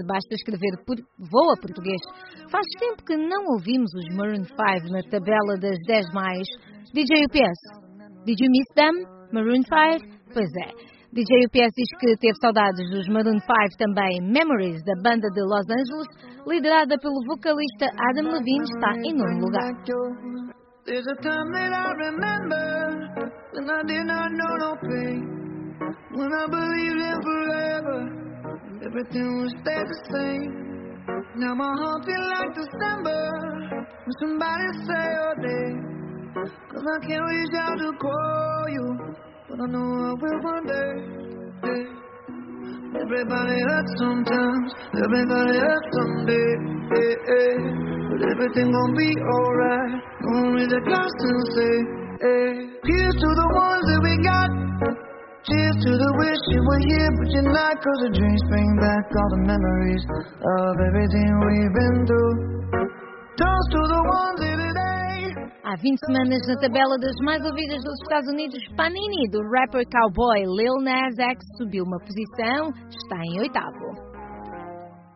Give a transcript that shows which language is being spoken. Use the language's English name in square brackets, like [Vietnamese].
[Portuguese] Basta escrever por Voa Português. Faz tempo que não ouvimos os Maroon 5 na tabela das 10 mais. [English] DJ UPS, did you miss them? Maroon 5? [Portuguese] Pois é. DJ UPS diz que teve saudades dos Maroon 5 também. Memories, da banda de Los Angeles, liderada pelo vocalista Adam Levine, está em nono lugar. [English] There's a time that I remember when I did not know no pain. When I believed in forever, everything would stay the same. Now my heart feels like December when somebody say your name. Cause I can't reach out to call you. But I know I will one day, yeah. Everybody hurts sometimes. Everybody hurts someday, yeah, yeah. But everything gon' be alright. Gonna raise a glass and say, yeah. Here's to the ones that we got. Cheers to the wish you were here but you're not. Cause the dreams bring back all the memories of everything we've been through. Toast to the ones that it ain't. [Portuguese] Há 20 semanas na tabela das mais ouvidas dos Estados Unidos, Panini, do rapper cowboy Lil Nas X, subiu uma posição, está em oitavo.